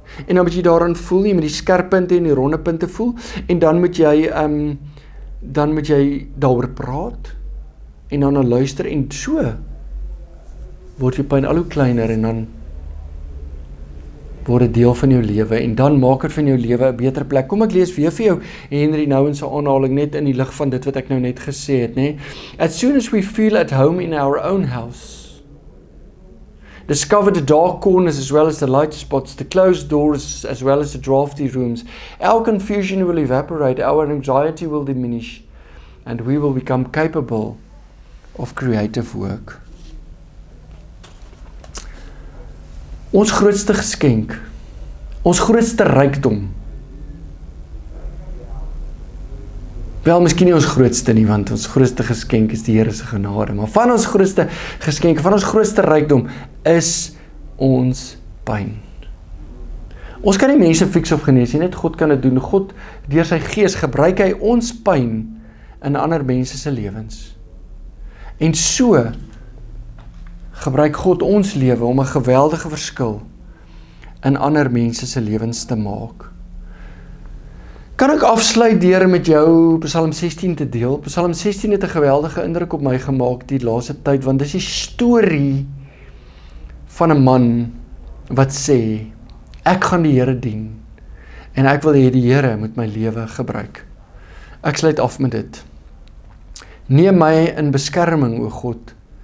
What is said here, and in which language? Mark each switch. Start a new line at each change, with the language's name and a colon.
Afrikaans: En dan moet jy daarin voel, jy met die skerp punte en die ronde punte voel, en dan moet jy daaroor praat, en dan na luister, en so word jou pyn al hoe kleiner, en dan word het deel van jou lewe en dan maak het van jou lewe 'n beter plek. Kom ek lees weer vir jou Henry Nouwen se aanhaling net in die lig van dit wat ek nou net gesê het, nê?
English: As soon as we feel at home in our own house, discover the dark corners as well as the light spots, the closed doors as well as the drafty rooms. Our confusion will evaporate, our anxiety will diminish, and we will become capable of creative work.
Afrikaans: Ons grootste geskenk, ons grootste rykdom. Wel, miskien nie ons grootste nie, want ons grootste geskenk is die Here se genade, maar van ons grootste geskenk, van ons grootste rykdom is ons pyn. Ons kan nie mense fix of genees nie, net God kan dit doen. God, deur sy gees, gebruik hy ons pyn in ander mense se lewens. En so gebruik God ons lewe om 'n geweldige verskil in ander mense se lewens te maak. Kan ek afsluit deur met jou Psalm 16 te deel? Psalm 16 het 'n geweldige indruk op my gemaak die laaste tyd, want dis die storie van 'n man wat sê, ek gaan die Here dien en ek wil hê die Here moet my lewe gebruik. Ek sluit af met dit. Neem my in beskerming, o God.